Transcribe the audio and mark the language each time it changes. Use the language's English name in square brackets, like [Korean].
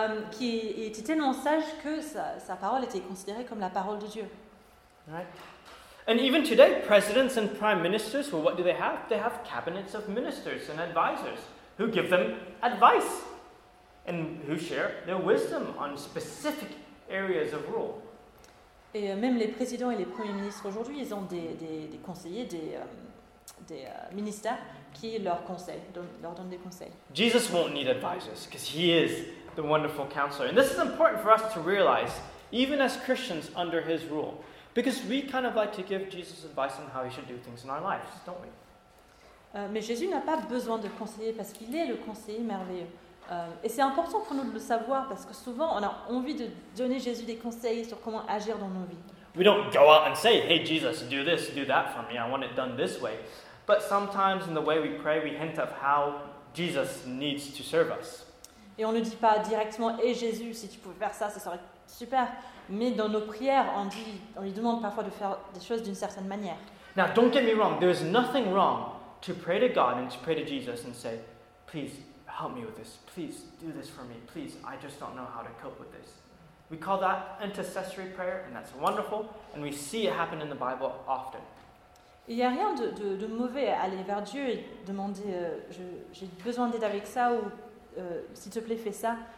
[French] qui était tellement sage que sa parole était considérée comme la parole de Dieu. [English] Right. And even today, presidents and prime ministers, well, what do they have? They have cabinets of ministers and advisors who give them advice and who share their wisdom on specific areas of rule. [French] Et même les présidents et les premiers ministres aujourd'hui, ils ont des conseillers, des ministères qui leur donnent des conseils. [English] Jesus won't need advisors because he is the wonderful counselor. And this is important for us to realize, even as Christians under his rule, because we kind of like to give Jesus advice on how he should do things in our lives, don't we? [French] Mais Jésus n'a pas besoin de conseiller parce qu'il est le conseiller merveilleux. Et c'est important pour nous de le savoir parce que souvent on a envie de donner Jésus des conseils sur comment agir dans nos vies. [English] We don't go out and say, hey Jesus, do this, do that for me, I want it done this way. But sometimes in the way we pray, we hint of how Jesus needs to serve us. [French] Et on ne dit pas directement, hey Jésus, si tu pouvais faire ça, ce serait super. Mais dans nos prières, on lui demande parfois de faire des choses d'une certaine manière. [English] Now don't get me wrong, there is nothing wrong to pray to God and to pray to Jesus and say, please, help me with this. Please do this for me. Please, I just don't know how to cope with this. We call that intercessory prayer, and that's wonderful. And we see it happen in the Bible often. [French] Il y a rien de mauvais à aller vers Dieu et demander j'ai besoin d'aide avec ça ou s'il te plaît fais ça.